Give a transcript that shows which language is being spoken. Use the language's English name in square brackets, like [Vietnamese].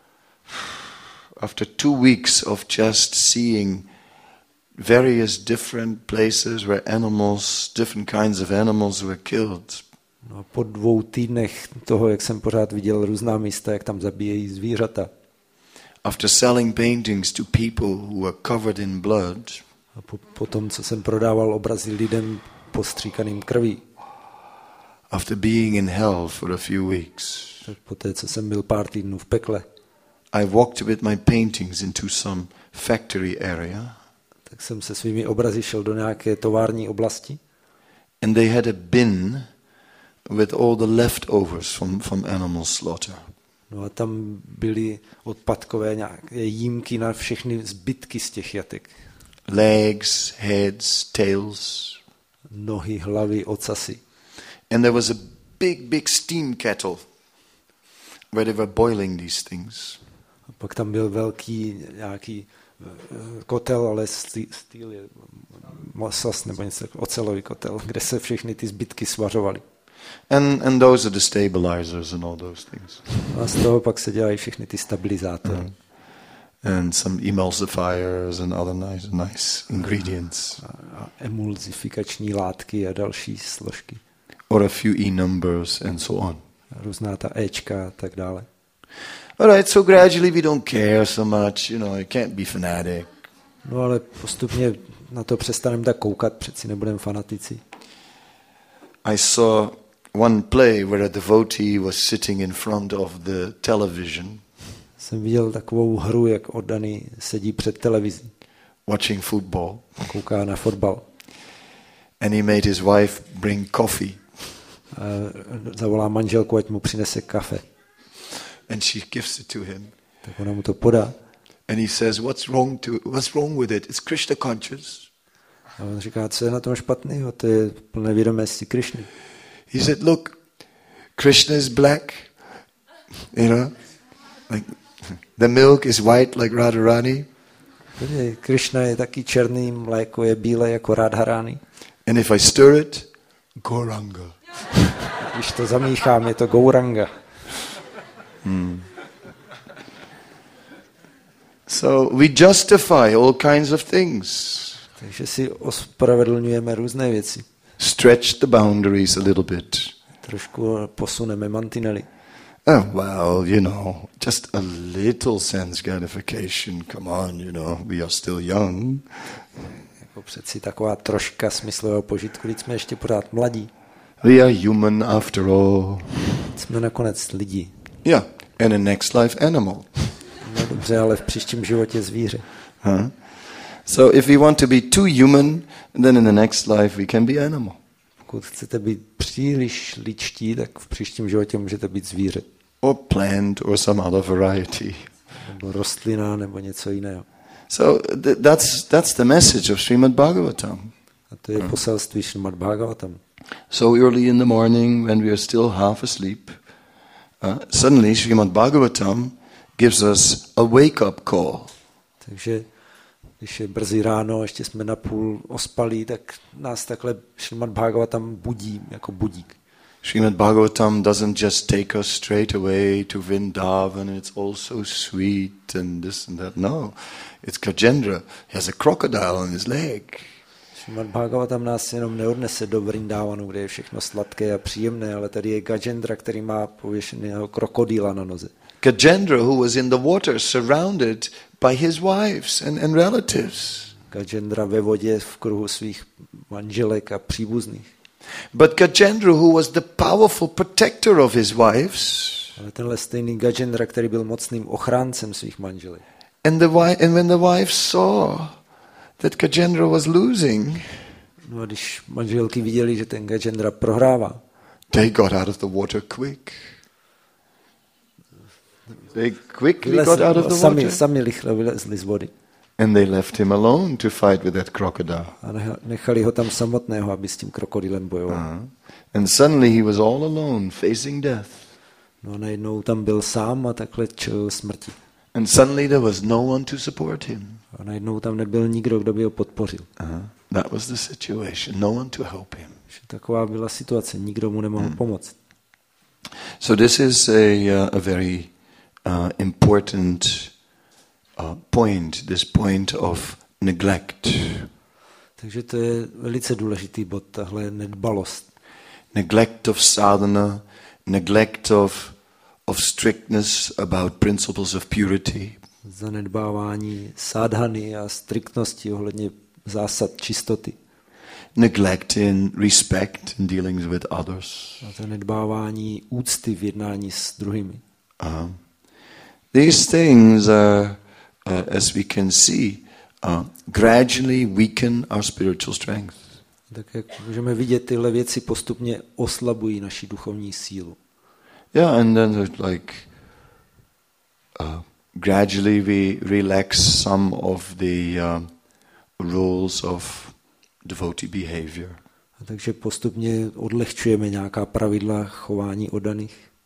[English] And after 2 weeks of just seeing various different places where animals, different kinds of animals were killed. [Czech] No a po 2 týdnech toho, jak jsem pořád viděl různá místa, jak tam zabíjejí zvířata. [English] After selling paintings to people who were covered in blood. [Czech] A po tom, co jsem prodával obrazy lidem postříkaným krví. [English] After being in hell for a few weeks. [Czech] Po té, co jsem byl pár týdnů v pekle. [English] I walked with my paintings into some factory area. [Czech] Tak jsem se svými obrazy šel do nějaké tovární oblasti. [English] And they had a bin with all the leftovers from animal slaughter. [Czech] No a tam byly odpadkové nějaké jímky na všechny zbytky z těch jatek. [English] Legs, heads, tails. [Czech] Nohy, hlavy, ocasy. [English] And there was a big steam kettle where they were boiling these things. [Czech] A pak tam byl velký nějaký kotel, ale [English] steel [Czech] je masas nebo něco, ocelový kotel, kde se všechny ty zbytky svařovaly. [English] And those are the stabilizers and all those things. [Czech] A z toho pak se dělají všechny ty stabilizátory. Mm-hmm. [English] And some emulsifiers and other nice ingredients. [Czech] Emulzifikační látky a další složky. [English] Or a few e-numbers and so on. [Czech] Různá ta Ečka a tak dále. [English] All right, so gradually we don't care so much, you know, you can't be fanatic. [Czech] No ale postupně na to přestaneme tak koukat, přeci nebudeme fanatici. [English] I saw one play where a devotee was sitting in front of the television. [Czech] Jsem viděl takovou hru, jak oddaný sedí před televizí. [English] Watching football. [Czech] Kouká na fotbal. [English] And he made his wife bring coffee. [Czech] A zavolá manželku, ať mu přinese kafe. [English] And she gives it to him. [Czech] Tak ona mu to podá. [English] And he says, what's wrong with it? It's Krishna conscious. [Czech] A on říká, co je na tom špatného? To je plné vědomosti Krishny. [English] He said, look, Krishna is black. You know? Like, the milk is white like Radharani. [Czech] Krishna je taky černý, mléko je bílé jako Radharani. [English] And if I stir it, Gauranga. [Czech] Když to zamíchám, je to Gauranga. [English] So we justify all kinds of things. [Czech] Takže si ospravedlňujeme různé věci. [English] Stretch the boundaries a little bit. [Czech] Trošku posuneme mantinely. [English] Oh, well, you know, just a little sense gratification. Come on, you know, we are still young. [Czech] Jako přeci taková troška smyslového požitku, když jsme ještě pořád mladí. [English] We are human after all. [Czech] Jsme nakonec lidi. [English] Yeah, and in next life animal. [Czech] No dobře, ale v příštím životě zvíře. [English] So if we want to be too human, then in the next life we can be animal. [Czech] Pokud chcete být příliš lidští, tak v příštím životě můžete být zvíře. [English] Or plant or some other variety. [Czech] Nebo rostlina nebo něco jiného. [English] So that's the message of Srimad Bhagavatam. [Czech] A to je poselství Srimad Bhagavatam. [English] So early in the morning when we are still half asleep, suddenly Srimad Bhagavatam gives us a wake up call. [Czech] Takže když je brzy ráno, ještě jsme napůl ospalí, tak nás takhle Srimad Bhagavatam budí jako budík. [English] Srimad Bhagavatam doesn't just take us straight away to Vrindavan, it's all so sweet and this and that. No, it's Gajendra. He has a crocodile on his leg. [Czech] Srimad Bhagavatam nás jenom neodnese do Vrindavanu, kde je všechno sladké a příjemné, ale tady je Gajendra, který má pověšeného krokodýla na noze. [English] Gajendra, who was in the water, surrounded by his wives and relatives. [Czech] Gajendra ve vodě v kruhu svých manželek a příbuzných. [English] But Gajendra, who was the powerful protector of his wives. [Czech] Ale tenhle stejný Gajendra, který byl mocným ochráncem svých manželek. [English] And when the wives saw that Gajendra was losing. [Czech] No a když manželky viděli, že ten Gajendra prohrává. [English] They got out of the water quick. They quickly [Czech] vylezli, [English] got out of the [Czech] sami, [English] water. [Czech] Sami rychle vylezli z vody. [English] And they left him alone to fight with that crocodile. [Czech] A nechali ho tam samotného, aby s tím krokodýlem bojoval. [English] And suddenly he was all alone facing death. [Czech] No a najednou tam byl sám a takhle čelil smrti. [English] And suddenly there was no one to support him. [Czech] A najednou tam nebyl nikdo, kdo by ho podpořil. [English] That was the situation. No one to help him. [Czech] Že taková byla situace, nikdo mu nemohl pomoct. [English] So this is a very important point, this point of neglect. [Czech] Takže to je velice důležitý bod, tahle nedbalost. [English] Neglect of sadhana, neglect of strictness about principles of purity. [Czech] Zanedbávání sadhany a striktnosti ohledně zásad čistoty. [English] Neglect in respect in dealings with others. [Czech] Zanedbávání úcty v jednání s druhými. [English] These things are, as we can see, gradually weaken our spiritual strength. [Czech] Tak jak můžeme vidět, tyhle věci postupně oslabují naši duchovní sílu. [English] Yeah, and then like gradually we relax some of the rules of devotee behavior. [Czech] A takže postupně odlehčujeme nějaká pravidla chování oddaných.